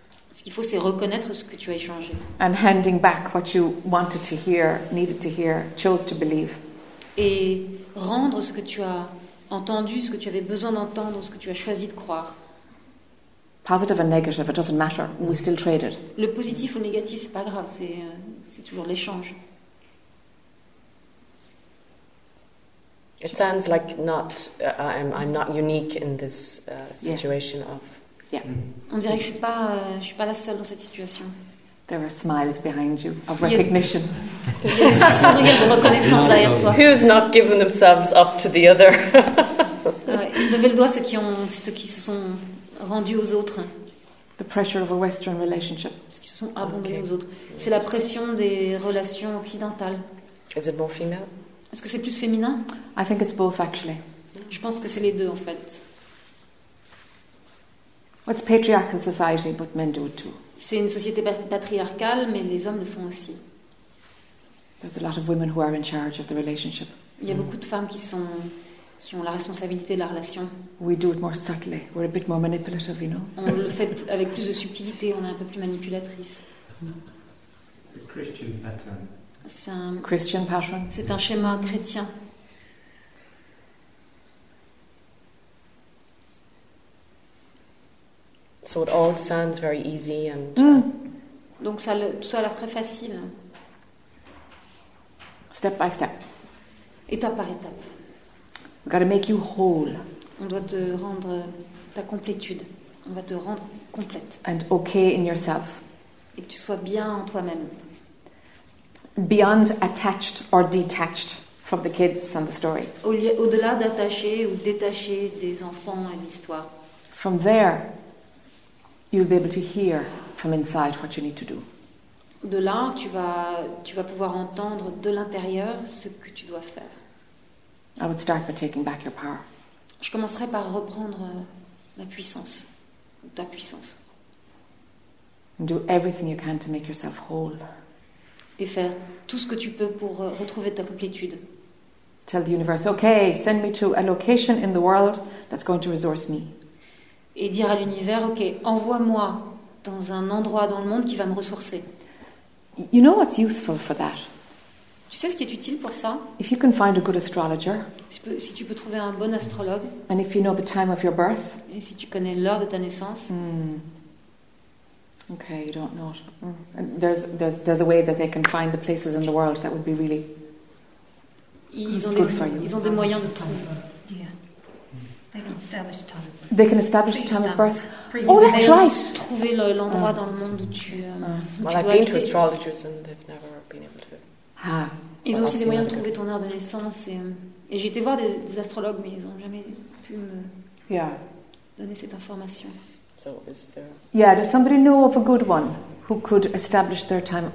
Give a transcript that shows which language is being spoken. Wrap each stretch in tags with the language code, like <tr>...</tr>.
<fr>Ce qu'il faut, c'est reconnaître ce que tu as échangé.</fr> <en>And handing back what you wanted to hear, needed to hear, chose to believe.</en> <fr>Et rendre ce que tu as entendu, ce que tu avais besoin d'entendre, ce que tu as choisi de croire.</fr> <en>Positive and negative, it doesn't matter. We still trade it.</en> <fr>Le positif ou le négatif, c'est pas grave. C'est toujours l'échange.</fr> <en>It sounds like I'm not unique in this situation of. Yeah.</en> <fr>On dirait que je suis pas la seule dans cette situation.</fr> <en>There are smiles behind you of recognition.</en> <fr>Il y a des sourires de reconnaissance derrière toi.</fr> <en>Who has not given themselves up to the other?</en> <fr>Levez le doigt ceux qui se sont rendus aux autres.</fr> <en>The pressure of a Western relationship.</en> <fr>Ceux qui se sont abandonnés aux autres. C'est la pression des relations occidentales.</fr> <en>Is it more female?</en> <fr>Est-ce que c'est plus féminin?</fr> <en>I think it's both actually.</en> <fr>Je pense que c'est les deux en fait.</fr> <en>It's patriarchal society, but men do it too.</en> <fr>C'est une société patriarcale, mais les hommes le font aussi.</fr> <en>There's a lot of women who are in charge of the relationship.</en> <fr>Il y a beaucoup de femmes qui ont la responsabilité de la relation.</fr> <en>We do it more subtly. We're a bit more manipulative, you know.</en> <fr>On le fait avec plus de subtilité. On est un peu plus manipulatrice.</fr> <en>The Christian pattern. Christian pattern.</en> <fr>C'est un schéma chrétien.</fr> <en>So it all sounds very easy and.</en> <fr>Donc ça, tout ça a l'air très facile.</fr> <en>Step by step.</en> <fr>Étape par étape.</fr> <en>We gotta make you whole.</en> <fr>On doit te rendre ta complétude. On va te rendre complète.</fr> <en>And okay in yourself.</en> <fr>Et que tu sois bien en toi-même.</fr> <en>Beyond attached or detached from the kids and the story.</en> <fr>Au-delà d'attaché ou détaché des enfants et l'histoire.</fr> <en>From there. You'll be able to hear from inside what you need to do.</en> <fr>De là, tu vas pouvoir entendre de l'intérieur ce que tu dois faire.</fr> <en>I would start by taking back your power.</en> <fr>Je commencerai par reprendre ma puissance, ta puissance.</fr> <en>And do everything you can to make yourself whole.</en> <fr>Et faire tout ce que tu peux pour retrouver ta complétude.</fr> <en>Tell the universe, okay, send me to a location in the world that's going to resource me.</en> <fr>Et dire à l'univers, ok, envoie-moi dans un endroit dans le monde qui va me ressourcer.</fr> <en>You know what's useful for that?</en> <fr>Tu sais ce qui est utile pour ça?</fr> <en>If you can find a good astrologer,</en> <fr>si tu peux trouver un bon astrologue,</fr> <en>and if you know the time of your birth,</en> <fr>et si tu connais l'heure de ta naissance,</fr> <en>Okay, you don't know it. There's a way that they can find the places in the world that would be really good for you.</en> <fr>Ils ont des moyens de trouver.</fr> <en>They can establish the time of birth. Oh, that's right.</en> <fr>Trouver l'endroit dans le monde où tu.</fr> <en>Well, I've been to astrologers and they've never been able to. Ah.</en> <fr>Ils ont aussi des moyens de trouver ton heure de naissance et j'ai été voir des astrologues mais ils ont jamais pu me.</fr> <en>Yeah.</en> <fr>Donner cette information.</fr> <en>So is there? Yeah, does somebody know of a good one who could establish their time?</en>